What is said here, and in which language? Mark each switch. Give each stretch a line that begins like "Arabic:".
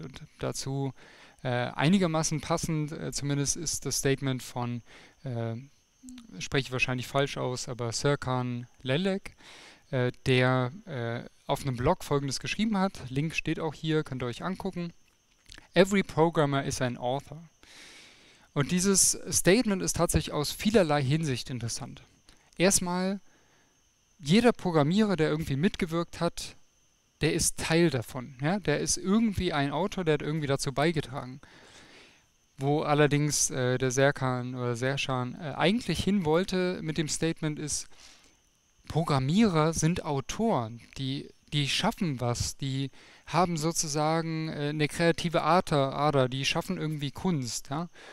German: Und dazu einigermaßen passend, zumindest ist das Statement von, spreche ich wahrscheinlich falsch aus, aber Serkan Lelek, der auf einem Blog Folgendes geschrieben hat, Link steht auch hier, könnt ihr euch angucken.
English: Every programmer is an author.
German: Und dieses Statement ist tatsächlich aus vielerlei Hinsicht interessant. Erstmal, jeder Programmierer, der irgendwie mitgewirkt hat, der ist Teil davon. Ja? Der ist irgendwie ein Autor, der hat irgendwie dazu beigetragen. Wo allerdings der Serkan oder Serkan eigentlich hin wollte mit dem Statement ist, Programmierer sind Autoren, die schaffen was, die haben sozusagen eine kreative Ader, die schaffen irgendwie Kunst. Ja?